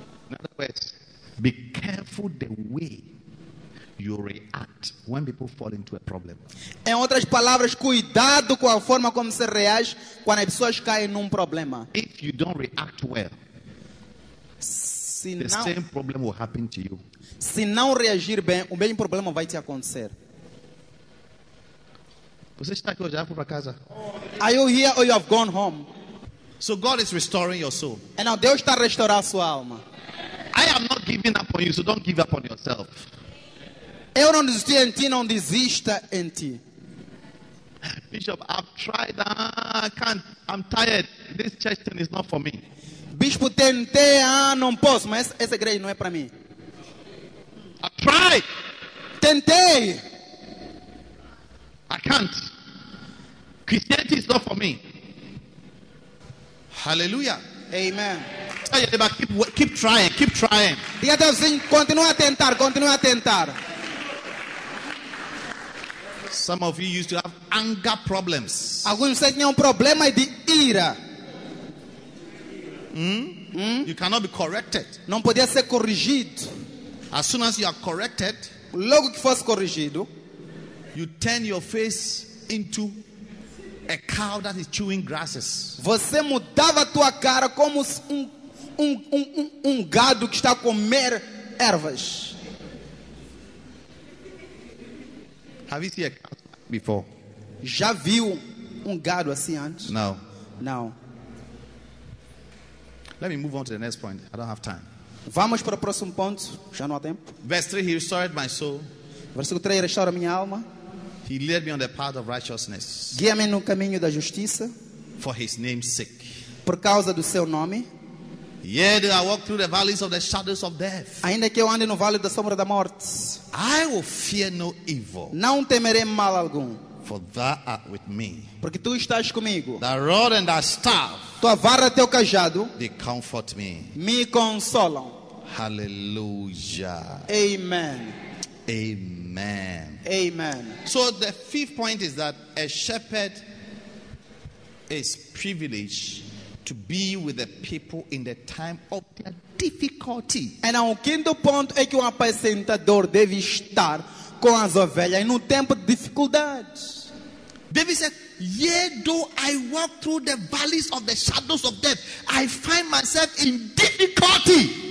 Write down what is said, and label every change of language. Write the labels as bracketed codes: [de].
[en] In other words, be careful the way you react when people fall into a problem. [pt] Em outras palavras, cuidado com a forma como você reage quando as pessoas caem num problema. [en] If you don't react well, same problem will happen to you. [pt] Se não reagir bem, o mesmo problema vai te acontecer. Você está aqui hoje, já foi para casa? [en] Are you here or you have gone home? So God is restoring your soul. [pt] E now Deus está restaurando a sua alma. [en] I am not giving up on you, so don't give up on yourself. [pt] Eu não desisti em ti, não desista em ti. [en] Bishop, I've tried, I'm tired. This church thing is not for me. [pt] Bispo, tentei, não posso, mas essa igreja não é para mim. [en] I've tried. [pt] Tentei. [en] I can't. Christianity is not for me. Hallelujah. Amen. Keep trying. Keep trying. [pt] Diga a Deus, continue a tentar. Continue a tentar. [en] Some of you used to have anger problems. [pt] Alguns de vocês tinham problema de ira. [en] You cannot be corrected. [pt] Não podia ser corrigido. [en] As soon as you are corrected, [pt] logo que fosse corrigido, [en] you turn your face into a cow that is chewing grasses. [pt] Você mudava a tua cara como um gado que está a comer ervas. [en] Have you seen a cow before? [pt] Já viu gado assim antes? No. No. [en] Let me move on to the next point. I don't have time. [pt] Vamos para o próximo ponto. Já não há tempo. [en] Verse 3, he restored my soul. [pt] Versículo 3, restaura minha alma. [en] He led me on the path of righteousness. [pt] Guia-me no caminho da justiça. [en] For his name's sake. [pt] Por causa do seu nome. [en] Yea, though I walk through the valleys of the shadows of death. [pt] Ainda que eu ande no vale da sombra da morte. [en] I will fear no evil. [pt] Não temerei mal algum. [en] For thou art with me. [pt] Porque tu estás comigo. [en] Thy rod and thy staff. [pt] Tua vara e teu cajado. [en] They comfort me. [pt] Me consolam. Hallelujah. Amen. Amen. Amen. [en] So the fifth point is that a shepherd is privileged to be with the people in the time of their difficulty. [pt] E o quinto ponto é que apacentador deve estar com as ovelhas no tempo de dificuldade. [en] David said, yea, though I walk through the valleys of the shadows of death, I find myself in difficulty.